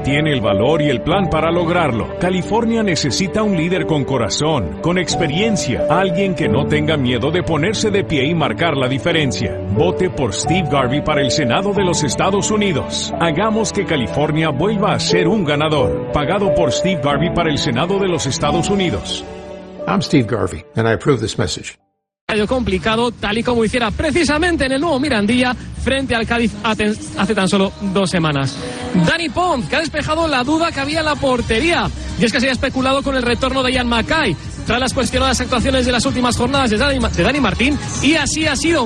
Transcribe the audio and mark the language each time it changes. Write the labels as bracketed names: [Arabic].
[Spanish] Tiene el valor y el plan para lograrlo. California necesita un líder con corazón, con experiencia, alguien que no tenga miedo de ponerse de pie y marcar la diferencia. Vote por Steve Garvey para el Senado de los Estados Unidos. Hagamos que California vuelva a ser un ganador. Pagado por Steve Garvey para el Senado de los Estados Unidos. [English] I'm Steve Garvey and I approve this message. [Spanish] Complicado, tal y como hiciera precisamente en el nuevo Mirandilla frente al Cádiz hace tan solo 2 semanas. Dani Pons, que ha despejado la duda que había en la portería. Y es que se había especulado con el retorno de Ian Mackay tras las cuestionadas actuaciones de las últimas jornadas de Dani Martín. Y así ha sido.